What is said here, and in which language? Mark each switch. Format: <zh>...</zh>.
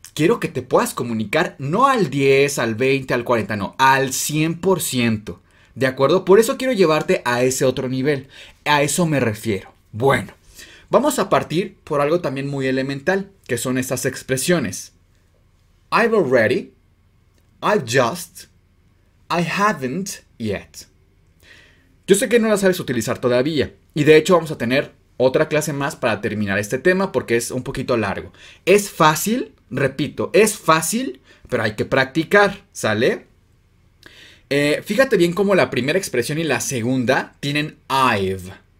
<es>Quiero que te puedas comunicar no al 10, al 20, al 40, no, al 100%. ¿De acuerdo? Por eso quiero llevarte a ese otro nivel. A eso me refiero. Bueno, vamos a partir por algo también muy elemental, que son estas expresiones.</es> <en>I've already, I've just, I haven't yet.</en> <es>Yo sé que no las sabes utilizar todavía, y de hecho vamos a tener otra clase más para terminar este tema porque es un poquito largo. Es fácil. Repito, es fácil, pero hay que practicar, ¿sale? Fíjate bien cómo la primera expresión y la segunda tienen I've.</es>